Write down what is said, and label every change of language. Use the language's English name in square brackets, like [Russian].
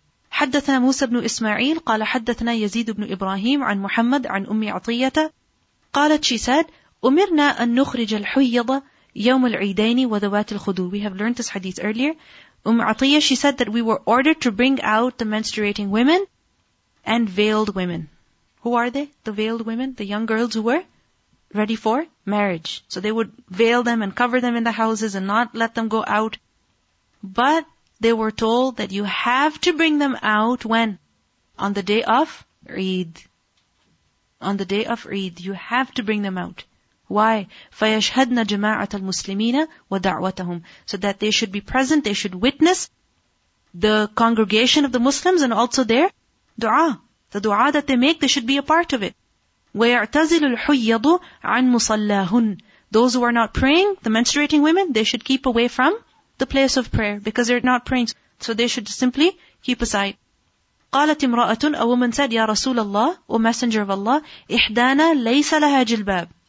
[Arabic] حدثنا موسى بن إسماعيل قال حدثنا يزيد بن إبراهيم عن محمد عن أم عطية قالت [English] she said [Arabic] أمرنا أن نخرج الحيض يوم العيدين وذوات الخدود. [English] We have learned this hadith earlier. Umm Atiyah, she said that we were ordered to bring out the menstruating women and veiled women. Who are they? The veiled women, the young girls who were ready for marriage. So they would veil them and cover them in the houses and not let them go out. But they were told that you have to bring them out when? On the day of Eid. On the day of Eid, you have to bring them out. Why? [Arabic] فَيَشْهَدْنَا جَمَاعَةَ الْمُسْلِمِينَ وَدَعْوَتَهُمْ [English] So that they should be present, they should witness the congregation of the Muslims and also their dua. The dua that they make, they should be a part of it. [Arabic] وَيَعْتَزِلُ الْحُيَّضُ عَنْ مُصَلَّاهُنْ [English] Those who are not praying, the menstruating women, they should keep away from the place of prayer because they're not praying. So they should simply keep aside. [Arabic] قالت امرأة, [English] a woman said, [Arabic] يا رسول الله, [English] O Messenger of Allah, [Arabic] إحدانا ليس لها جلباب.